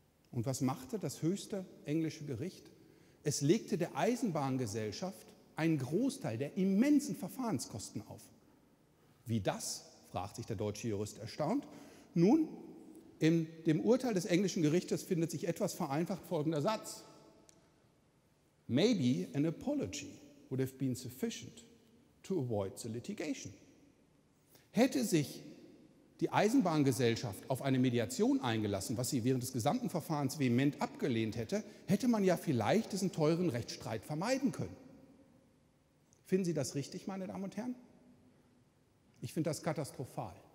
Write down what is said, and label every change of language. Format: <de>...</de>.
<de>Und was machte das höchste englische Gericht? Es legte der Eisenbahngesellschaft einen Großteil der immensen Verfahrenskosten auf. Wie das? Fragt sich der deutsche Jurist erstaunt. Nun, in dem Urteil des englischen Gerichtes findet sich etwas vereinfacht folgender Satz.</de> <en>Maybe an apology would have been sufficient to avoid the litigation.</en> <de>Hätte sich die Eisenbahngesellschaft auf eine Mediation eingelassen, was sie während des gesamten Verfahrens vehement abgelehnt hätte, hätte man ja vielleicht diesen teuren Rechtsstreit vermeiden können. Finden Sie das richtig, meine Damen und Herren? Ich finde das katastrophal.</de>